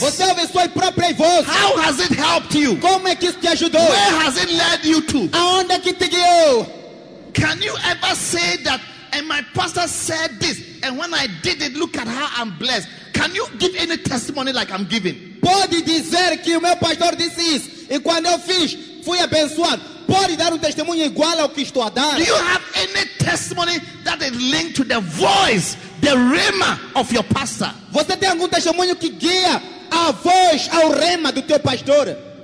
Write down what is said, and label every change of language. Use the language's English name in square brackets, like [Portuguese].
[Portuguese] Você ouve suas próprias vozes. [English] How has it helped you? [Portuguese] Como é que isso te ajudou? [English] Where has it led you to? [Portuguese] Aonde é que te guiou? [English] Can you ever say that, and my pastor said this, and when I did it, look at how I'm blessed. Can you give any testimony like I'm giving? [Portuguese] Pode dizer que o meu pastor disse isso, e quando eu fiz, fui abençoado. Pode dar testemunho igual ao que estou a dar? [English] Do you have any testimony that is linked to the voice, the rema of your pastor? [Portuguese] Você tem algum testemunho que guia a voz ao rema do teu pastor?